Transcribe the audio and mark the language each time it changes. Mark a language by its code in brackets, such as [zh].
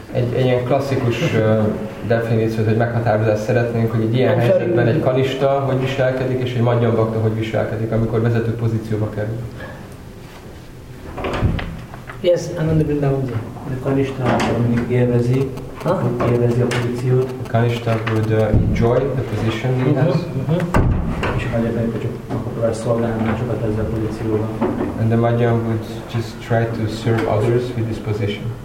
[hu] Egy ilyen klasszikus definíciót, hogy meghatározást szeretnénk, hogy egy ilyen helyzetben egy Kanishta hogy viselkedik, és egy Madhyam Bhakta hogy viselkedik, amikor vezető pozícióba kerül. [en] Yes, Ananda Vrindavanji. [hu] The Kanishta élvezi, hogy élvezi a pozíciót. [en] The Kanishta would enjoy the position he has. [hu] És a Madhyam Bhakta szolgálni másokat ezzel a pozícióval. [en] And the Madhyam would just try to serve others with this position.